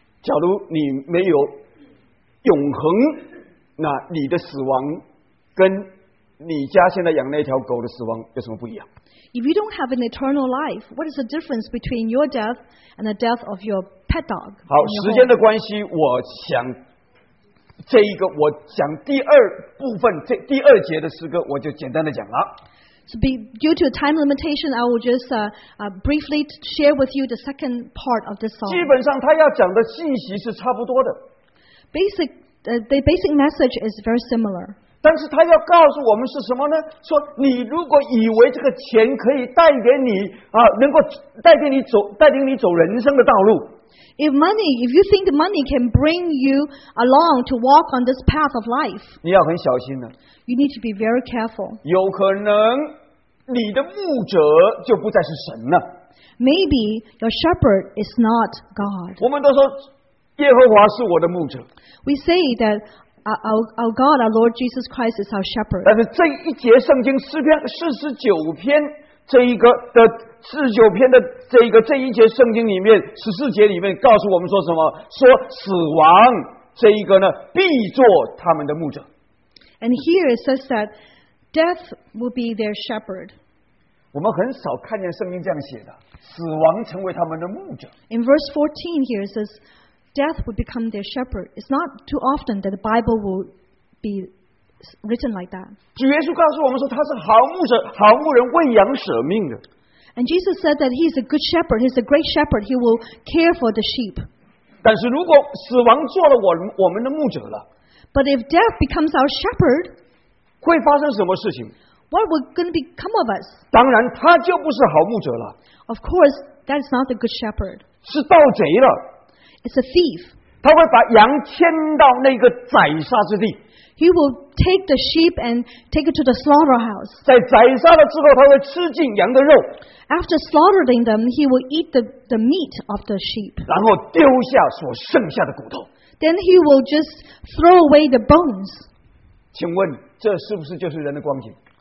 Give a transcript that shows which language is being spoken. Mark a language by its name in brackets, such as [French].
[Chinese] 假如你没有永恒，那你的死亡跟你家现在养那条狗的死亡有什么不一样？ [English] If you don't have an eternal life, what is the difference between your death and the death of your pet dog? [Chinese] 好，时间的关系，我想。这一个我讲第二部分，这第二节的诗歌我就简单的讲了。 [English] So due to time limitation, I will just briefly share with you the second part of this song. [Chinese] 基本上他要讲的信息是差不多的。 [English] The basic message is very similar. [Chinese] 但是他要告诉我们是什么呢？说你如果以为这个钱可以带给你啊，能够带给你走，带领你走人生的道路。 [English] If you think the money can bring you along to walk on this path of life, [Chinese] 你要很小心了。 [English] You need to be very careful. [Chinese] 有可能你的牧者就不再是神了。 [English] Maybe your shepherd is not God. [Chinese] 我们都说耶和华是我的牧者。 [English] We say that our God, our Lord Jesus Christ, is our shepherd. [Chinese] 但是这一节圣经诗篇四十九篇这一个的。四十九篇的这一节圣经里面十四节里面告诉我们说什么？说死亡这一个呢，必作他们的牧者。 [English] And here it says that death will be their shepherd. [Chinese] 我们很少看见圣经这样写的，死亡成为他们的牧者。 [English] In verse 14 here it says, death would become their shepherd. It's not too often that the Bible will be written like that. [Chinese] 主耶稣告诉我们说他是好牧者，好牧人为羊舍命的。 [English] And Jesus said that he is a good shepherd, he is a great shepherd, he will care for the sheep. [Chinese] 但是如果死亡做了我们的牧者了， [English] But if death becomes our shepherd, [Chinese] 会发生什么事情？ [English] What will going to become of us? [Chinese] 当然他就不是好牧者了。 [English] Of course, that is not a good shepherd. [Chinese] 是盗贼了。 [English] It's a thief. [Chinese] 他会把羊牵到那个宰杀之地。 [English] He will take the sheep and take it to the slaughterhouse. [Chinese] 在宰杀了之后他会吃尽羊的肉。 [English] After slaughtering them, he will eat the meat of the sheep. [Chinese] 然后丢下所剩下的骨头。 [English] Then he will just throw away the bones. [Chinese] 请问这是不是就是人的光景？